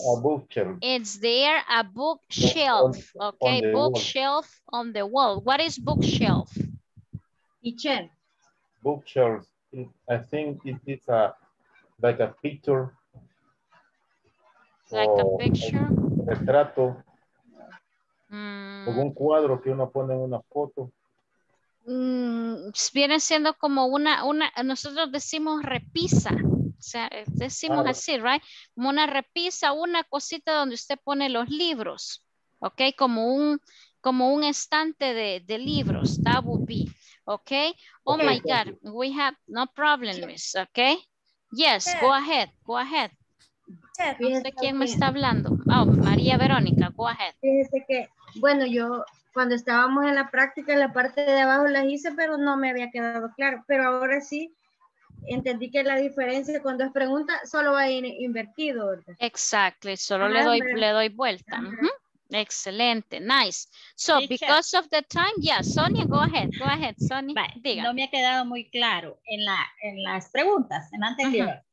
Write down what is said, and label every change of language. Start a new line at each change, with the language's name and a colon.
English: Is there a bookshelf? Is there a bookshelf? Okay, bookshelf on the wall. What is bookshelf? Teacher. Bookshelf. I think it is a like a picture. Like a picture?
Spanish: Retrato. Un cuadro que uno pone en una foto. Viene siendo como una nosotros decimos repisa, o sea, decimos así, right? Como una repisa, una cosita donde usted pone los libros, ok, como un estante de libros,
English: that would be, ok, oh okay, my god, you. We have no problem, Luis, ok, yes, yeah. go ahead, yeah,
Spanish: no sé quién me está hablando, oh, María Verónica,
English: go ahead.
Spanish: Fíjese que, bueno, yo cuando estábamos en la práctica, en la parte de abajo las hice, pero no me había quedado claro. Pero ahora sí, entendí que la diferencia cuando es pregunta, solo va a ir invertido. Exacto, solo le doy vuelta. Uh-huh. Excelente, nice.
English: So, because of the time, yeah, Sonia, go ahead, Sonia, bye.
Spanish: Diga. No me ha quedado muy claro en las preguntas, en anterior.